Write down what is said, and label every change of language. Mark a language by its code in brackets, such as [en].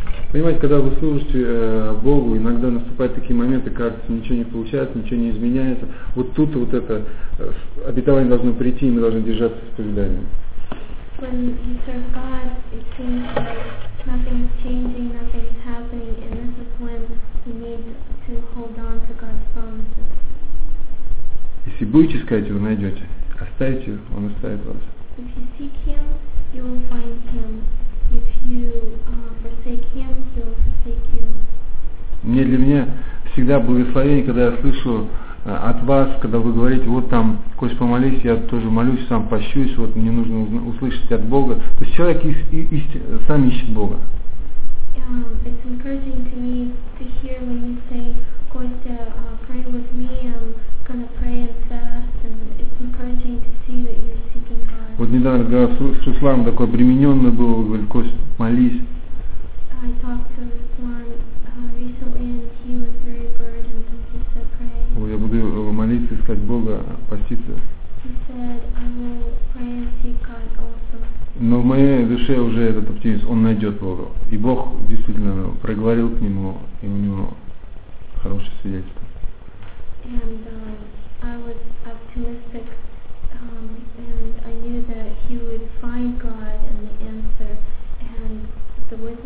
[ru] Понимаете, когда вы служите Богу, иногда наступают такие моменты, кажется, ничего не получается, ничего не изменяется. Вот тут вот это обетование должно прийти, и мы должны держаться исповедания. [en] When you serve God, it seems like nothing is changing, nothing is happening, and this is when you need to hold on to God's promises. [ru] Если будете искать его, найдете. Оставите его, он оставит вас. [en] If you seek him, you will find him. If you forsake him, he will forsake you. [ru] Мне для меня всегда благословение, когда я слышу от вас, когда вы говорите, вот там, Кость, помолись, я тоже молюсь, сам пощусь, вот мне нужно услышать от Бога. То есть человек сам ищет Бога. [en] It's encouraging to me to hear when you say, Костя, pray with me, I'm gonna pray and fast, and it's encouraging to see that you're seeking God. [ru] Вот недавно разговаривал с Русланом, такой обремененный был, говорит, Кость, молись. [en] I talked to Ruslan recently, and he was very burdened, and he said, pray. [ru] Я буду молиться, искать Бога, поститься. [en] He said, I will pray and seek God also. [ru] Но в моей душе уже этот оптимизм, он найдет Бога. И Бог действительно проговорил к нему, и у него хорошее свидетельство. [en] And I was optimistic, and I knew that he would find God and the answer, and the